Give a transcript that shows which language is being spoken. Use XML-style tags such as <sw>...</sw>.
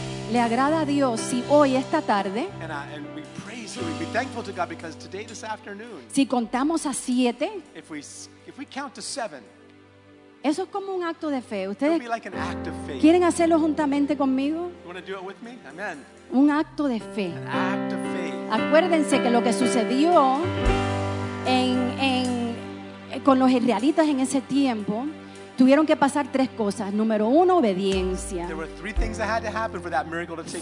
<es>Le agrada a Dios si hoy esta tarde,</es> <en>and we praise Him, we be thankful to God because today, this afternoon,</en> <es>si contamos a siete,</es> <en>if we count to seven,</en> <es>eso es como un acto de fe. Ustedes</es> <en>like an act of faith.</en> <es>Quieren hacerlo juntamente conmigo.</es> <en>You want to do it with me? Amen.</en> <es>Un acto de fe.</es> <en>An act of faith.</en> <es>Acuérdense que lo que sucedió en con los israelitas en ese tiempo. Tuvieron que pasar tres cosas. Número uno, obediencia.</es> <en>There were three things that had to happen for that miracle to take</en>